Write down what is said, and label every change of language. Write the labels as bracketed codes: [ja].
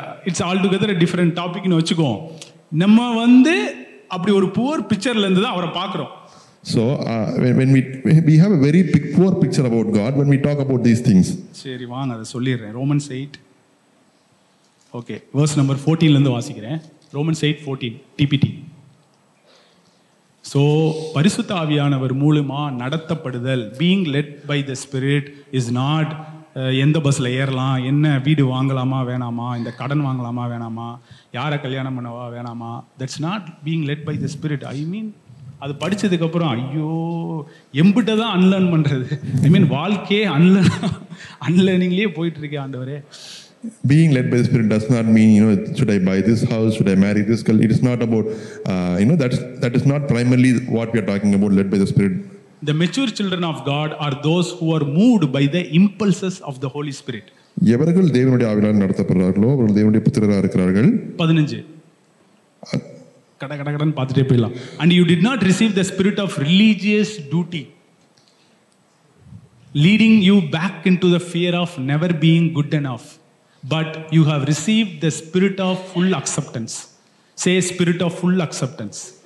[en] it's all together a different [ta] டாபிக்னு வச்சுக்கோம். நம்ம வந்து அப்படி ஒரு புவர் பிக்சர்லேருந்து தான் அவரை பார்க்குறோம். [en] So we have a very big, poor picture about God when we talk about these things. [ta] சரி வா, நான் அதை சொல்லிடுறேன். ரோமன்ஸ் 8, ஓகே, வேர்ஸ் நம்பர் 14லேருந்து வாசிக்கிறேன். Romans 8:14, DBT. ஸோ பரிசுத்த ஆவியானவர் மூலமா நடத்தப்படுதல், [en] being led by the spirit is not [ta] எந்த பஸ்ல ஏறலாம், என்ன வீடு வாங்கலாமா வேணாமா, இந்த கடன் வாங்கலாமா வேணாமா, யாரை கல்யாணம் பண்ணவா வேணாமா, [en] That's not being led by the spirit. I mean [ta] அது படித்ததுக்கப்புறம் ஐயோ எம்பிட்ட தான் அன்லேர்ன் பண்ணுறது, ஐ மீன் வாழ்க்கையே அன்லேர்னிங்லேயே போயிட்டுருக்கே ஆண்டவரே. [en] Being led by the Spirit does not mean, you know, should I buy this house, should I marry this girl. It is not about, you know, that is not primarily what we are talking about, led by the Spirit. The mature children of God are those who are moved by the impulses of the Holy Spirit. [ta] எவர்கள் தேவனுடைய ஆவியால் நடத்தப்படுறார்களோ அவர்கள் தேவனுடைய புத்திரராக இருக்கிறார்கள். 15, கடகடகடன்னு பார்த்துட்டே போயிடலாம். [en] And you did not receive the spirit of religious duty, leading you back into the fear of never being good enough. But you have received the spirit of full acceptance. Say spirit of full acceptance.